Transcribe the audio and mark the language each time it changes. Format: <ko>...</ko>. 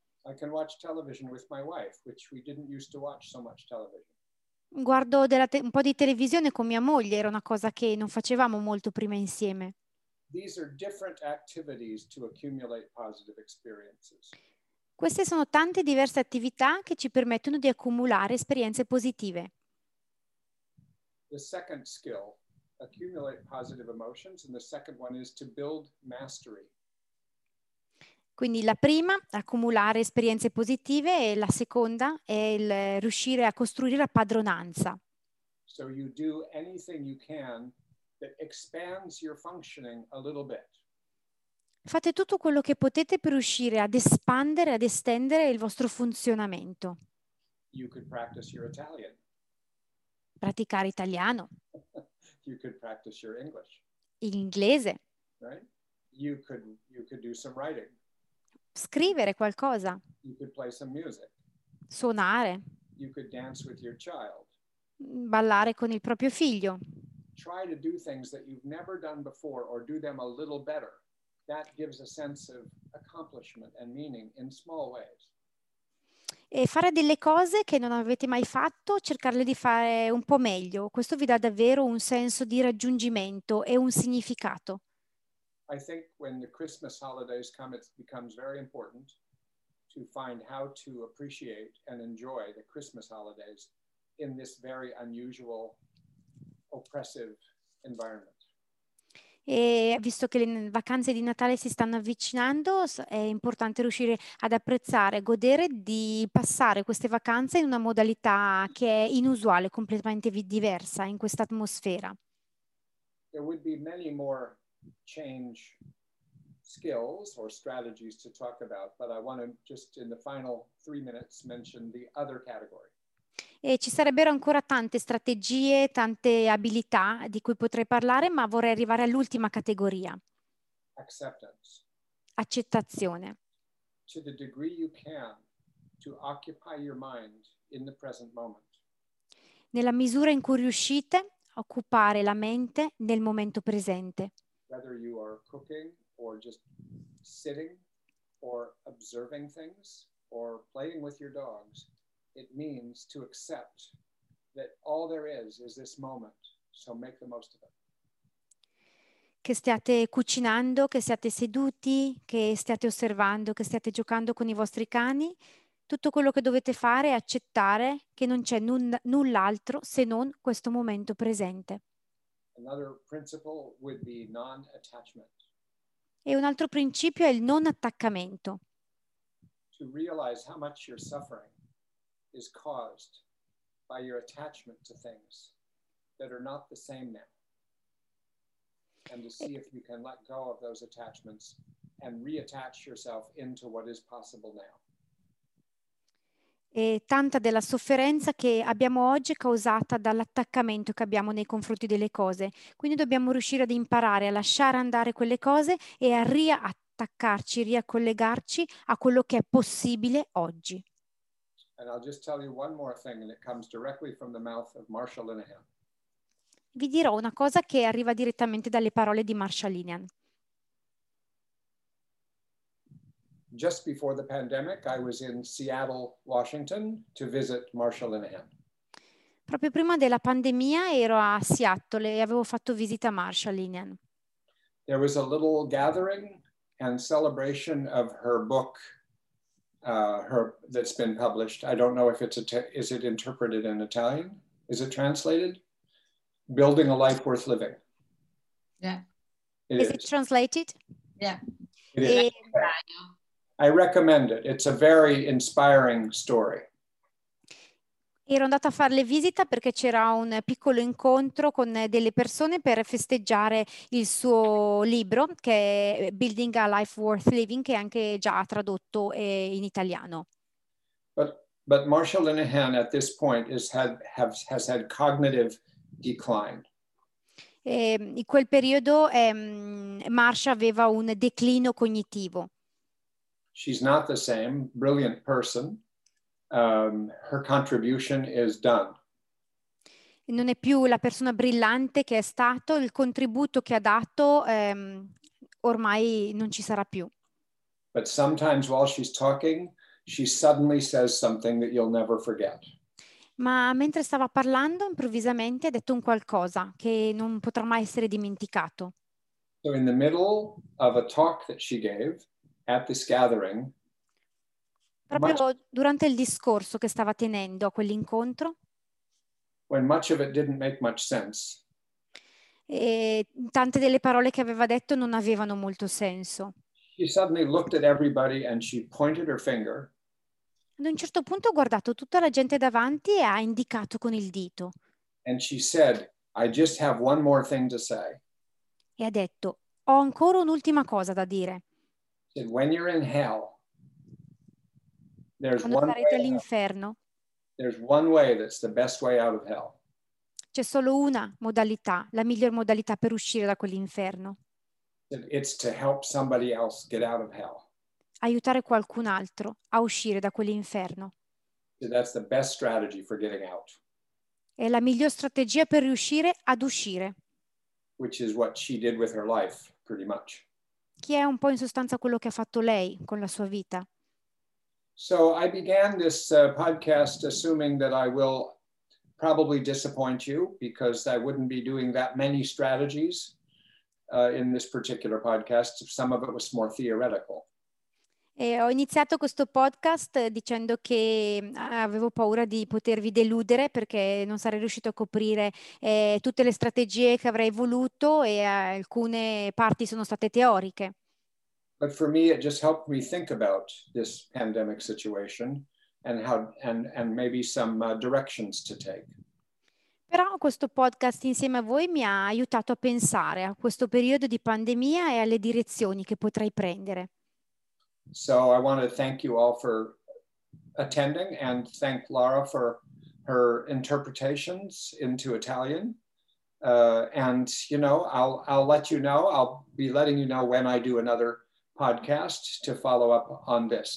<en>I can watch television with my wife, which we didn't used to watch so much television.</en> <it>Guardo un po' di televisione con mia moglie, era una cosa che non facevamo molto prima insieme.</it> <en>These are different activities to accumulate positive experiences.</en> <it>Queste sono tante diverse attività che ci permettono di accumulare esperienze positive.</it> <en>The second skill, accumulate positive emotions, and the second one is to build mastery.</en> <it>Quindi la prima, accumulare esperienze positive, e la seconda è il riuscire a costruire la padronanza.</it> <en>So you do anything you can that expands your functioning a little bit.</en> <it>Fate tutto quello che potete per riuscire ad espandere, ad estendere il vostro funzionamento.</it> <en>You could practice your Italian.</en> <it>Praticare italiano.</it> <en>You could practice your English.</en> <it>Inglese.</it> <en>Right? You could do some writing.</en> <it>Scrivere qualcosa.</it> <en>You could play some music.</en> <it>Suonare.</it> <en>You could dance with your child.</en> <it>Ballare con il proprio figlio.</it> <en>Try to do things that you've never done before or do them a little better. That gives a sense of accomplishment and meaning in small ways.</en> <it>E fare delle cose che non avete mai fatto, cercarle di fare un po' meglio. Questo vi dà davvero un senso di raggiungimento e un significato.</it> <en>I think when the Christmas holidays come, it becomes very important to find how to appreciate and enjoy the Christmas holidays in this very unusual, oppressive environment.</en> <it>E visto che le vacanze di Natale si stanno avvicinando, è importante riuscire ad apprezzare, godere di passare queste vacanze in una modalità che è inusuale, completamente diversa in questa atmosfera.</it> <en>There would be many more change skills or strategies to talk about, but I want to just in the final 3 minutes mention the other category.</en> <it>E ci sarebbero ancora tante strategie, tante abilità di cui potrei parlare, ma vorrei arrivare all'ultima categoria.</it> <en>Acceptance.</en> <it>Accettazione.</it> <en>To the degree you can, to occupy your mind in the present moment.</en> <it>Nella misura in cui riuscite a occupare la mente nel momento presente.</it> <en>Whether you are cooking or just sitting or observing things or playing with your dogs, it means to accept that all there is this moment, so make the most of it.</en> <it>Che stiate cucinando, che siate seduti, che stiate osservando, che stiate giocando con I vostri cani, tutto quello che dovete fare è accettare che non c'è null'altro se non questo momento presente.</it> <en>Another principle would be non-attachment.</en> <it>E un altro principio è il non attaccamento.</it> <en>To realize how much your suffering is caused by your attachment to things that are not the same now. And to see if you can let go of those attachments and reattach yourself into what is possible now.</en> <it>E tanta della sofferenza che abbiamo oggi è causata dall'attaccamento che abbiamo nei confronti delle cose. Quindi dobbiamo riuscire ad imparare a lasciare andare quelle cose e a riattaccarci, riacollegarci a quello che è possibile oggi.</it> <en>And I'll just tell you one more thing, and it comes directly from the mouth of Marshall Linehan.</en> <it>Vi dirò una cosa che arriva direttamente dalle parole di Marshall Linehan.</it> <en>Just before the pandemic, I was in Seattle, Washington, to visit Marshall Linehan.</en> <it>Proprio prima della pandemia ero a Seattle e avevo fatto visita a Marshall Linehan.</it> <en>There was a little gathering and celebration of her book, that's been published. I don't know if it's is it interpreted in Italian? Is it translated? Building a Life Worth Living. Yeah. Is it translated? Yeah. It is. I recommend it. It's a very inspiring story.</en> <it>Ero andata a farle visita perché c'era un piccolo incontro con delle persone per festeggiare il suo libro, che è Building a Life Worth Living, che è anche già tradotto in italiano.</it> <en>But Marshall Linehan at this point has had cognitive decline.</en> <it>In quel periodo Marsha aveva un declino cognitivo.</it> <en>She's not the same, brilliant person. Her contribution is done.</en> <it>Non è più la persona brillante che è stato, il contributo che ha dato ormai non ci sarà più.</it> <en>But sometimes while she's talking, she suddenly says something that you'll never forget.</en> <it>Ma mentre stava parlando, improvvisamente ha detto un qualcosa che non potrà mai essere dimenticato.</it> <en>So in the middle of a talk that she gave at this gathering,</en> <it>proprio durante il discorso che stava tenendo a quell'incontro,</it> <en>when much of it didn't make much sense,</en> <it>e tante delle parole che aveva detto non avevano molto senso,</it> <en>she suddenly looked at everybody and she pointed her finger.</en> <it>Ad un certo punto ha guardato tutta la gente davanti e ha indicato con il dito.</it> <en>And she said, I just have one more thing to say.</en> <it>E ha detto, ho ancora un'ultima cosa da dire.</it> <en>Said, when you're in hell, there's</en> <it>quando</it> <en>one</en> <it>sarete all'inferno,</it> <en>there's one way that's the best way out of hell.</en> <it>C'è solo una modalità, la miglior modalità per uscire da quell'inferno.</it> <en>It's to help somebody else get out of hell.</en> <it>Aiutare qualcun altro a uscire da quell'inferno.</it> <en>That's the best strategy for getting out.</en> <it>È la miglior strategia per riuscire ad uscire.</it> <en>Which is what she did with her life, pretty much.</en> <it>Che è un po' in sostanza quello che ha fatto lei con la sua vita.</it> <en>So I began this podcast assuming that I will probably disappoint you because I wouldn't be doing that many strategies in this particular podcast. Some of it was more theoretical.</en> <it>E ho iniziato questo podcast dicendo che avevo paura di potervi deludere perché non sarei riuscito a coprire tutte le strategie che avrei voluto e alcune parti sono state teoriche.</it> <en>But for me it just helped me think about this pandemic situation and how and maybe some directions to take.</en> <it>Però questo podcast insieme a voi mi ha aiutato a pensare a questo periodo di pandemia e alle direzioni che potrei prendere.</it> <en>So I want to thank you all for attending and thank Laura for her interpretations into Italian. And you know, I'll let you know, I'll be letting you know when I do another podcast to follow up on this.</en>